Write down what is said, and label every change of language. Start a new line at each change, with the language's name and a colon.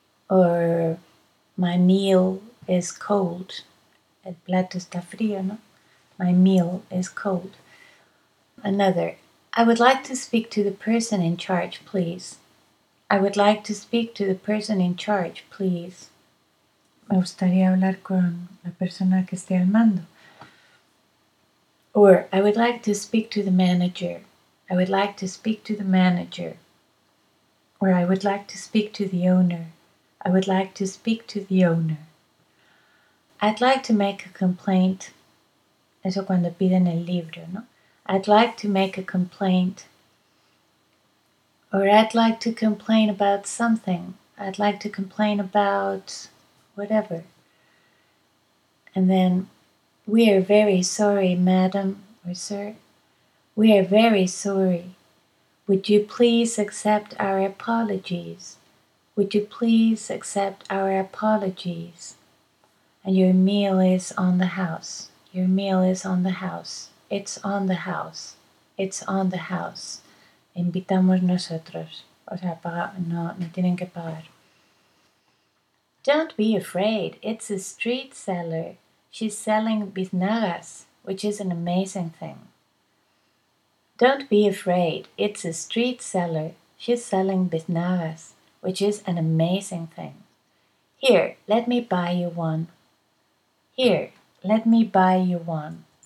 English: Or, my meal is cold.
Spanish: El plato está frío, ¿no?
English: My meal is cold. Another, I would like to speak to the person in charge, please. I would like to speak to the person in charge, please.
Spanish: Me gustaría hablar con la persona que esté al mando.
English: Or, I would like to speak to the manager. I would like to speak to the manager. Or, I would like to speak to the owner. I would like to speak to the owner. I'd like to make a complaint.
Spanish: Eso cuando piden el libro, ¿no?
English: I'd like to make a complaint. Or I'd like to complain about something. I'd like to complain about whatever. And then, we are very sorry, madam or sir. We are very sorry. Would you please accept our apologies? Would you please accept our apologies? And your meal is on the house. Your meal is on the house. It's on the house. It's on the house.
Spanish: Invitamos nosotros. O sea, no tienen que pagar.
English: Don't be afraid. It's a street seller. She's selling biznagas, which is an amazing thing. Don't be afraid. It's a street seller. She's selling biznagas, which is an amazing thing. Here, let me buy you one. Here, let me buy you one.